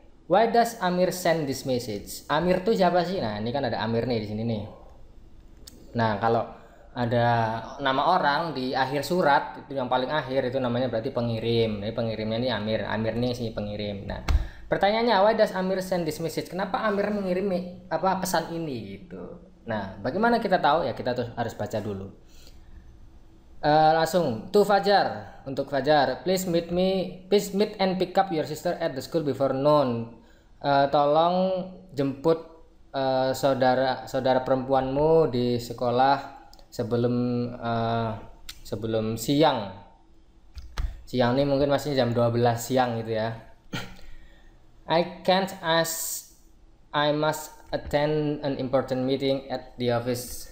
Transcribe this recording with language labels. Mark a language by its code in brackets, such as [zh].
[en] Why does Amir send this message? [id] Amir tuh siapa sih? Nah, ini kan ada Amir nih di sini nih. Nah, kalau ada nama orang di akhir surat itu yang paling akhir itu namanya berarti pengirim. Jadi pengirimnya ini Amir. Amir nih si pengirim. Nah, pertanyaannya [en] why does Amir send this message? [id] Kenapa Amir mengirim apa pesan ini gitu. Nah, bagaimana kita tahu? Ya kita tuh harus baca dulu. Langsung to Fajar. Untuk Fajar, [en] please meet me, please meet and pick up your sister at the school before noon. [id] Tolong jemput saudara saudara perempuanmu di sekolah sebelum sebelum siang. Siang ini mungkin masih jam 12 siang gitu ya. [en] I can't as I must attend an important meeting at the office.